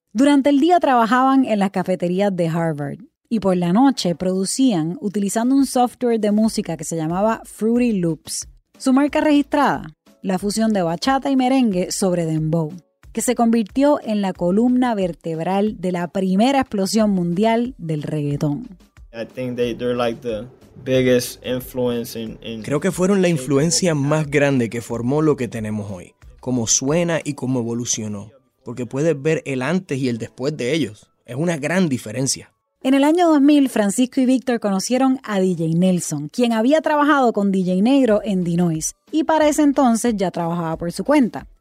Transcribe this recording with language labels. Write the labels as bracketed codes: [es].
[es] Durante el día trabajaban en las cafeterías de Harvard, y por la noche producían utilizando un software de música que se llamaba Fruity Loops. Su marca registrada, la fusión de bachata y merengue sobre dembow, que se convirtió en la columna vertebral de la primera explosión mundial del reggaetón. [en] I think they're like the biggest influence in... [es] Creo que fueron la influencia más grande que formó lo que tenemos hoy, cómo suena y cómo evolucionó, porque puedes ver el antes y el después de ellos. Es una gran diferencia. En el año 2000, Francisco y Víctor conocieron a DJ Nelson, quien había trabajado con DJ Negro en Dinoise, y para ese entonces ya trabajaba por su cuenta.